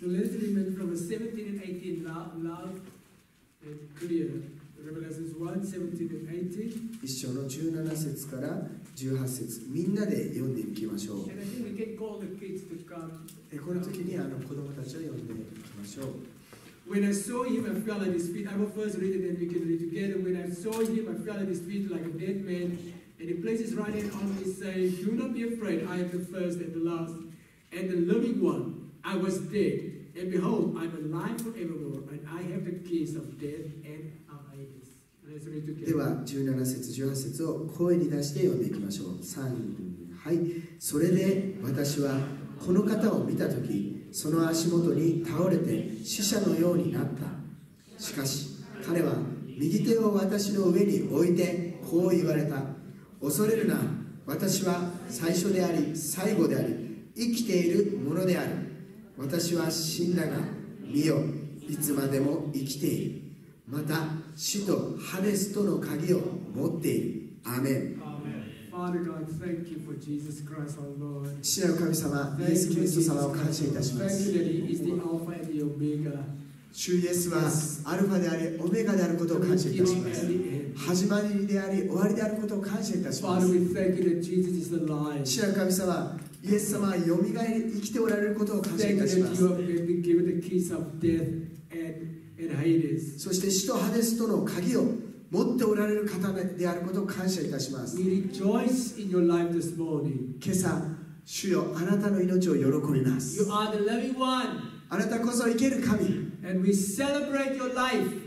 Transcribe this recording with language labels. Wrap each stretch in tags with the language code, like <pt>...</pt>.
<en>Let us remember from 17 and 18 love clear. Revelation 1:17 and 18.</en> <ja>1 章の17節から18節、みんなで読んでいきましょう。この時にあの子供たちを読んでいきましょう。</ja> <en>When I saw him, I fell at his feet. I will first read it, then we can read it together. When I saw him, I fell at his feet like a dead man. And he placed his right hand on me, saying, Do not be afraid. I am the first and the last and the living one. I was dead. And behold, I am alive forevermore. And I have the keys of death and of Hades. Let's read together.</en> <ja>では、17節、18節を声に出して読んでいきましょう。3、はい。それで私はこの方を見たとき、その足元に倒れて死者のようになった。しかし彼は右手を私の上に置いてこう言われた。恐れるな、私は最初であり最後であり生きているものである。私は死んだが、見よ、いつまでも生きている。また死とハデスとの鍵を持っている。アーメン。</ja> <en>Father God, thank you for Jesus Christ, our Lord.</en> <ja>父なる神様、イエス・キリスト様を感謝いたします。主イエスはアルファであり、オメガであることを感謝いたします。始まりであり、終わりであることを感謝いたします。</ja> <en>Father, we thank you that Jesus is alive.</en> <ja>主なる神様、イエス様はよみがえり、生きておられることを感謝いたします。</ja> <en>Thank you that you have been given the keys of death and Hades.</en> <ja>そして死とハデスとの鍵を持っておられる方であることを感謝いたします。</ja> <en>We rejoice in your life this morning.</en> <ja>今朝、主よ、あなたの命を喜びます。</ja> <en>You are the living one.</en> <ja>あなたこそ生ける神。</ja> <en>And we celebrate your life.</en>